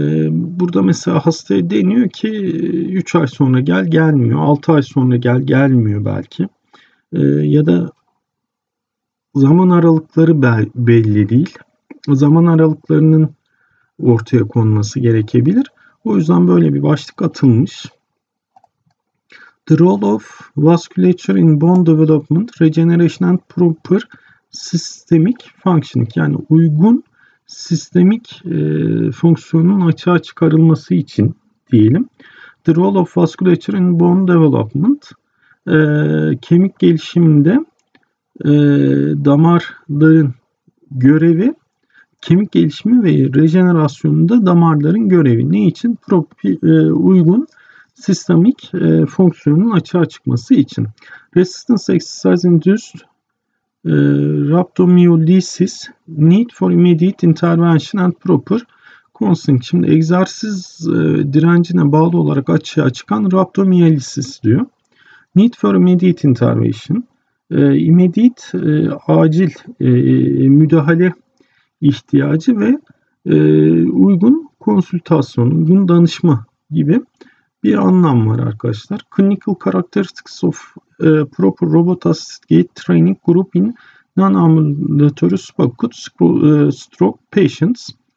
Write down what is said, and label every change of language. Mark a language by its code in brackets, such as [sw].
[tr] Burada mesela hastaya deniyor ki 3 ay sonra gel, gelmiyor. 6 ay sonra gel, gelmiyor belki. Ya da zaman aralıkları belli değil. Zaman aralıklarının ortaya konması gerekebilir. O yüzden böyle bir başlık atılmış. [en] The role of vasculature in bone development, regeneration and proper systemic functioning. [tr] Yani uygun sistemik fonksiyonun açığa çıkarılması için diyelim. [en] The role of vasculature in bone development, [tr] kemik gelişiminde damarların görevi, kemik gelişimi ve rejenerasyonunda damarların görevi. Ne için? Uygun sistemik fonksiyonun açığa çıkması için. [en] Resistance exercise induced rhabdomyolysis, need for immediate intervention and proper constant. [tr] Şimdi egzersiz direncine bağlı olarak açığa çıkan rhabdomyolysis diyor. [en] Need for immediate intervention. [tr] Immediate, acil müdahale ihtiyacı ve uygun konsültasyon, uygun danışma gibi bir anlam var arkadaşlar. [en] Clinical characteristics of proper robot assisted gait training group in non-ambulatory spastic stroke patients.